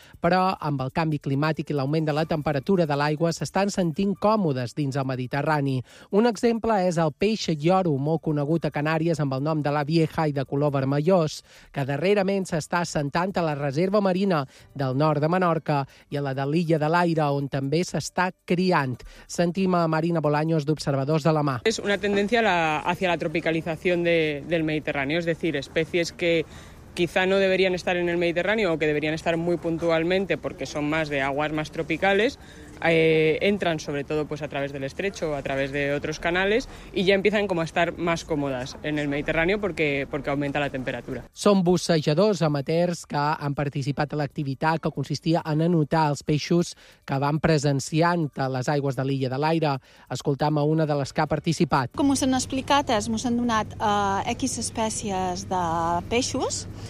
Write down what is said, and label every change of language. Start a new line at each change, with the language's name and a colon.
Catalan: Però amb el canvi climàtic i l'augment de la temperatura de l'aigua s'estan sentint còmodes dins el Mediterrani. Un exemple és el peix lloro, molt conegut a Canàries amb el nom de la Vieja i de color vermellós, que darrerament s'està assentant a la reserva marina del nord de Menorca i a la de l'Illa de l'Aire, on també s'està criant. Sentim a Marina Bolaños, d'Observadors de la Mar.
Spanish: És una tendència hacia la tropicalización del Mediterráneo, es decir, especies que quizá no deberían estar en el Mediterráneo o que deberían estar muy puntualmente porque son más de aguas más tropicales, entran sobre todo pues a través del estrecho o a través de otros canales y ya empiezan como a estar más cómodas en el Mediterráneo porque aumenta la temperatura.
Catalan: Són bussejadors amateurs que han participat a l'activitat que consistia en anotar els peixos que van presenciant a les aigües de l'Illa de l'Aire. Escoltam a una de les que ha participat. Com us han explicat, ens han donat X espècies de peixos.